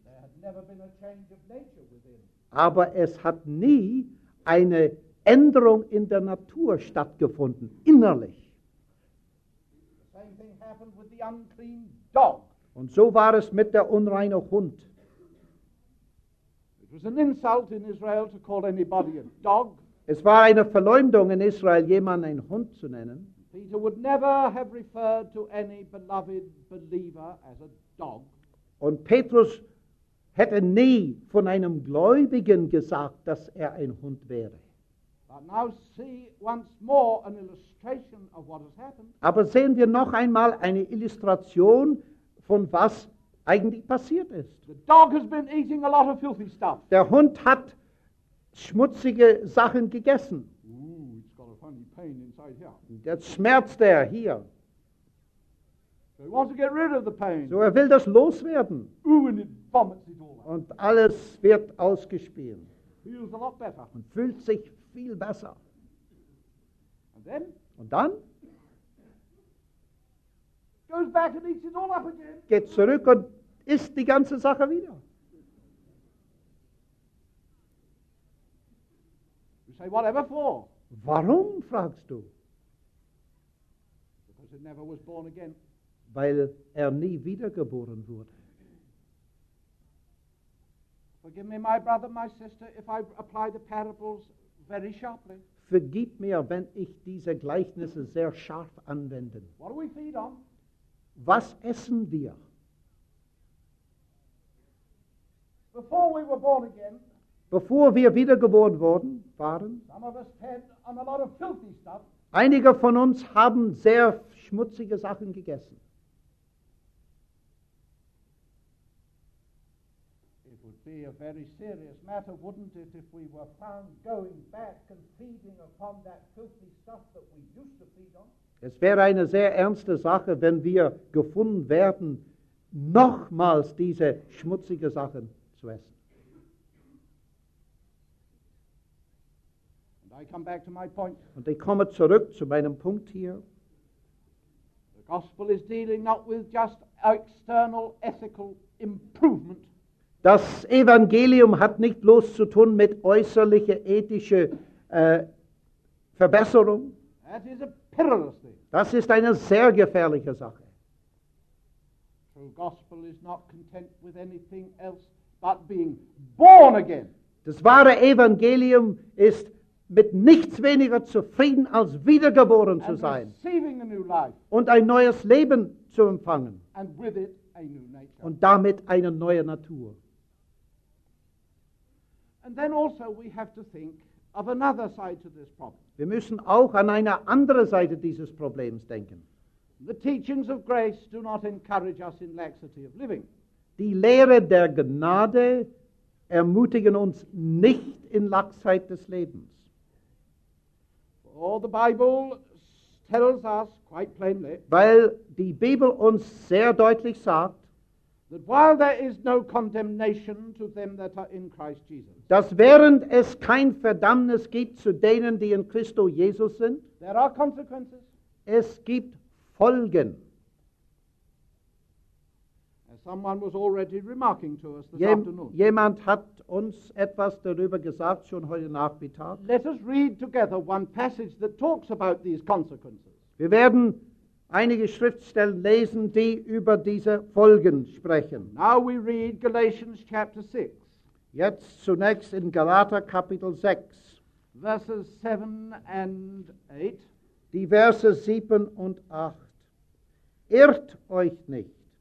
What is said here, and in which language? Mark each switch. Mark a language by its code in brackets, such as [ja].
[en] There had never been a change of nature within. [de] Aber es hat nie eine Änderung in der Natur stattgefunden, innerlich. [en] The same thing happened with the unclean dog. [de] Und so war es mit der unreinen Hund. [en] It was an insult in Israel to call anybody a dog. [de] Es war eine Verleumdung in Israel, jemanden einen Hund zu nennen. [en] Peter would never have referred to any beloved believer as a dog. [de] Und Petrus hätte nie von einem Gläubigen gesagt, dass ein Hund wäre. [en] But now see once more an illustration of what has happened. [de] Aber sehen wir noch einmal eine Illustration von was eigentlich passiert ist. [en] The dog has been eating a lot of filthy stuff. [de] Der Hund hat schmutzige Sachen gegessen. [en] Ooh, it's got a funny pain inside here. [de] Der Schmerz der hier. [en] So he wants to get rid of the pain. [de] So will das loswerden. [en] Ooh, and it vomits it all out. [de] Und alles wird ausgespielt. [en] Feels a lot better. [de] Und fühlt sich viel besser. [en] And then? [de] Und dann? [en] Goes back and eats it all up again. [de] Geht zurück und isst die ganze Sache wieder. [en] You say, whatever for? [de] Warum, fragst du? [en] Because it never was born again. [de] Weil nie wiedergeboren wurde. [en] Forgive me, my brother, my sister, if I apply the parables very sharply. [de] Vergib mir, wenn ich diese Gleichnisse sehr scharf anwende. [en] What do we feed on? [de] Was essen wir? [en] Before we were born again, [de] bevor wir wiedergeboren worden waren, [en] some of us fed on a lot of filthy stuff. [de] Einige von uns haben sehr schmutzige Sachen gegessen. [en] Be a very serious matter, wouldn't it, if we were found going back and feeding upon that filthy stuff that we used to feed on? [de] Es wäre eine sehr ernste Sache, wenn wir gefunden werden, nochmals diese schmutzige Sachen zu essen. [en] And I come back to my point. [de] Und ich komme zurück zu meinem Punkt hier. [en] The gospel is dealing not with just external ethical improvement. [de] Das Evangelium hat nicht bloß zu tun mit äußerlicher ethischer Verbesserung. [en] That is a perilous thing. [de] Das ist eine sehr gefährliche Sache. [en] True gospel is not content with anything else but being born again. [de] Das wahre Evangelium ist mit nichts weniger zufrieden als wiedergeboren zu sein. [en] Receiving a new life. [de] Und ein neues Leben zu empfangen. [en] And with it a new nature. [de] Und damit eine neue Natur. [en] And then also we have to think of another side to this problem. [de] Wir müssen auch an eine andere Seite dieses Problems denken. [en] The teachings of grace do not encourage us in laxity of living. [de] Die Lehre der Gnade ermutigen uns nicht in Laxheit des Lebens. [en] For the Bible tells us quite plainly. [de] Weil die Bibel uns sehr deutlich sagt, [en] that while there is no condemnation to them that are in Christ Jesus, [de] dass während es kein Verdammnis gibt zu denen, die in Christo Jesus sind, [en] there are consequences. [de] Es gibt Folgen. [en] As someone was already remarking to us this afternoon. [de] Jemand hat uns etwas darüber gesagt schon heute Nachmittag. [en] Let us read together one passage that talks about these consequences. [de] Wir werden einige Schriftstellen lesen, die über diese Folgen sprechen. [en] Now we read Galatians chapter 6. [de] Jetzt zunächst in Galater Kapitel 6. [en] Verses 7 and 8. [de] Die Verse 7 und 8. Irrt euch nicht.